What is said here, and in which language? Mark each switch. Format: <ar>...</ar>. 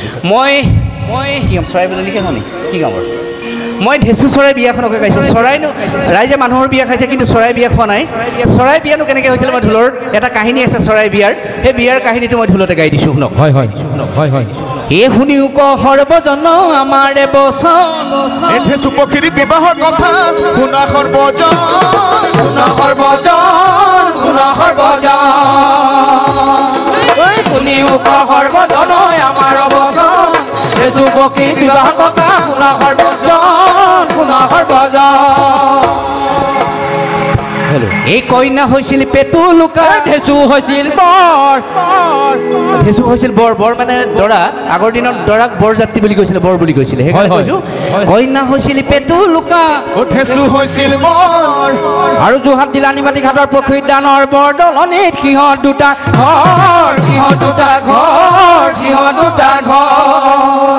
<as>মই কি গাম, চৰাই বুলনি কেনে কি গামৰ, মই ঢেঁচু চৰাই বিয়াখনকে গাইছোঁ। চৰাইনো ৰাইজে মানুহৰ বিয়া খাইছে, কিন্তু চৰাই বিয়া খোৱা নাই। চৰাই বিয়ানো কেনেকৈ হৈছিলে, মই ঢোলৰ এটা কাহিনী আছে চৰাই বিয়াৰ, সেই বিয়াৰ কাহিনীটো মই ঢোলতে গাই দিছোঁ, শুনক। হয় হয় শুনক, হয় হয়।</as> <bn>এ শুনিও ক সর্বজন আমারে বচন, এ ঢেঁচু পক্ষীর বিবাহর কথা শুনা সর্বজন, শুনা সর্বজন, শুনা সর্বজন, শুনিও ক সর্বজন আমার বচন, ঢেঁচু পক্ষীর বিবাহ কথা শুনা সর্বজন, শুনা সর্বজন। এই কইনা হয়েছিল পেটু লুকা, ঢেঁচু হয়েছিল বড়,</bn> <as>ঢেঁচু হয়েছিল বৰ, বৰ মানে দৰা। আগৰ দিনত দৰাক বৰ যাত্ৰী বুলি কৈছিলে, বৰ বুলি কৈছিলে। কইনা হৈছিল পেটু লুকা, ঢেঁচু হৈছিল বৰ, আৰু যোৰহাট জিলানিমাটি ঘাটৰ পুখুৰীত দানৰ বৰ দলনিত সিংহ দুটা ঘৰ, সিংহ দুটা ঘৰ, সিংহ দুটা ঘৰ।</as>